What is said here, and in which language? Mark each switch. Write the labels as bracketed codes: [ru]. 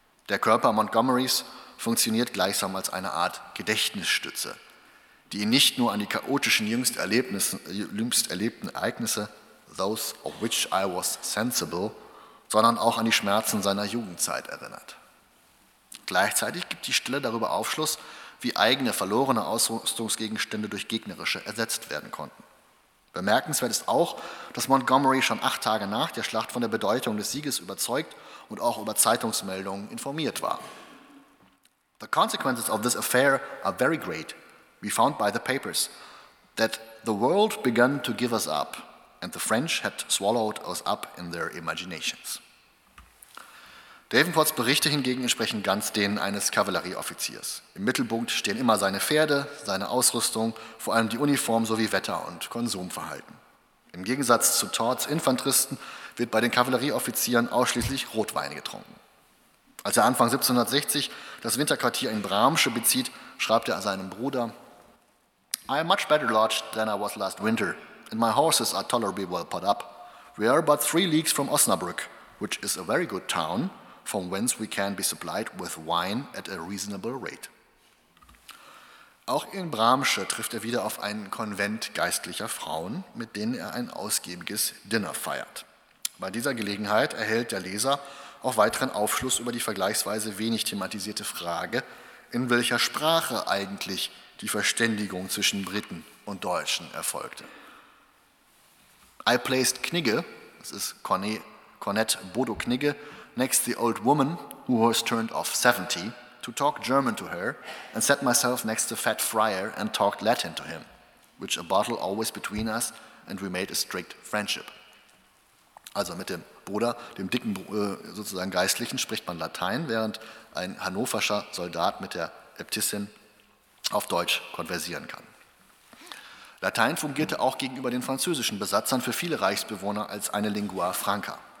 [de] Der Körper Montgomerys funktioniert gleichsam als eine Art Gedächtnisstütze, die ihn nicht nur an die chaotischen jüngst erlebten Ereignisse, "those of which I was sensible", sondern auch an die Schmerzen seiner Jugendzeit erinnert. Gleichzeitig gibt die Stelle darüber Aufschluss, wie eigene verlorene Ausrüstungsgegenstände durch gegnerische ersetzt werden konnten. Bemerkenswert ist auch, dass Montgomery schon 8 Tage nach der Schlacht von der Bedeutung des Sieges überzeugt und auch über Zeitungsmeldungen informiert war. [en] The consequences of this affair are very great. We found by the papers that the world began to give us up and the French had swallowed us up in their imaginations. [de] Davenports Berichte hingegen entsprechen ganz denen eines Kavallerieoffiziers. Im Mittelpunkt stehen immer seine Pferde, seine Ausrüstung, vor allem die Uniform sowie Wetter- und Konsumverhalten. Im Gegensatz zu Todds Infanteristen wird bei den Kavallerieoffizieren ausschließlich Rotwein getrunken. [en] Als er Anfang 1760 das Winterquartier in Bramsche bezieht, schreibt er seinem Bruder: I am much better lodged than I was last winter, and my horses are tolerably well put up. We are but 3 leagues from Osnabrück, which is a very good town, from whence we can be supplied with wine at a reasonable rate. [de] Auch in Bramsche trifft er wieder auf einen Konvent geistlicher Frauen, mit denen er ein ausgiebiges Dinner feiert. Bei dieser Gelegenheit erhält der Leser auch weiteren Aufschluss über die vergleichsweise wenig thematisierte Frage, in welcher Sprache eigentlich die Verständigung zwischen Briten und Deutschen erfolgte. [en] I placed Knigge, das ist Cornette Bodo Knigge, next the old woman, who was turned of 70, to talk German to her, and set myself next the fat friar and talked Latin to him, which a bottle always between us, and we made a strict friendship. [de] Also mit dem Bruder, dem dicken sozusagen Geistlichen, spricht man Latein, während ein hannoverscher Soldat mit der Äbtissin auf Deutsch konversieren kann. Latein fungierte auch gegenüber den französischen Besatzern für viele Reichsbewohner als eine Lingua Franca.